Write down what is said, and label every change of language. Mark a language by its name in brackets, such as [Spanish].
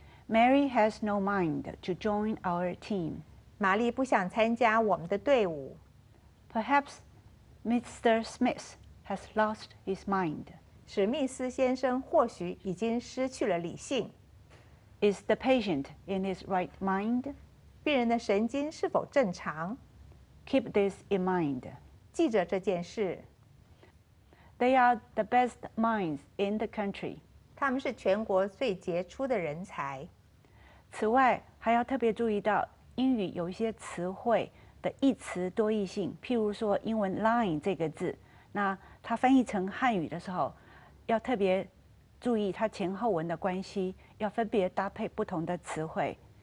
[English] Mary has no mind to join our team， [Chinese] 玛丽不想参加我们的队伍。 [English] Perhaps Mr. Smith has lost his mind， [Chinese] 史密斯先生或许已经失去了理性。 [English] Is the patient in his right mind？ [Chinese] 病人的神经是否正常？ [English] Keep this in mind， [Chinese] 记着这件事。 [English] They are the best minds in the country， [Chinese] 他们是全国最杰出的人才。此外还要特别注意到英语有一些词汇的一词多义性，譬如说英文 line 这个字，那它翻译成汉语的时候要特别注意它前后文的关系，要分别搭配不同的词汇。